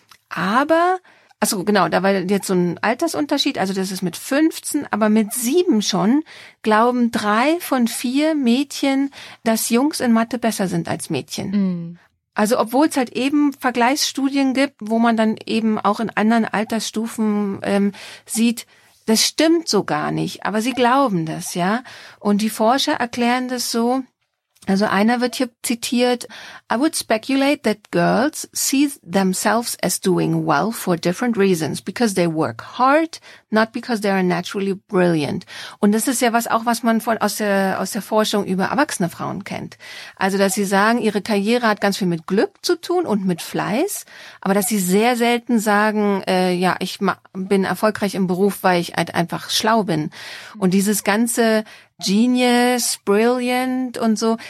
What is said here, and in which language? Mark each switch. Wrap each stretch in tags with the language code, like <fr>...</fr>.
<de>Aber, da war jetzt so ein Altersunterschied, also das ist mit 15, aber mit 7 schon glauben 3 von 4 Mädchen, dass Jungs in Mathe besser sind als Mädchen. Also obwohl es halt eben Vergleichsstudien gibt, wo man dann eben auch in anderen Altersstufen sieht, das stimmt so gar nicht, aber sie glauben das, ja. Und die Forscher erklären das so,</de> <en>Also einer wird hier zitiert, I would speculate that girls see themselves as doing well for different reasons, because they work hard, not because they are naturally brilliant.</en> <de>Und das ist ja was auch, was man von aus der Forschung über erwachsene Frauen kennt. Also dass sie sagen, ihre Karriere hat ganz viel mit Glück zu tun und mit Fleiß, aber dass sie sehr selten sagen, ich bin erfolgreich im Beruf, weil ich halt einfach schlau bin. Und dieses ganze Genius, brilliant und so.</de>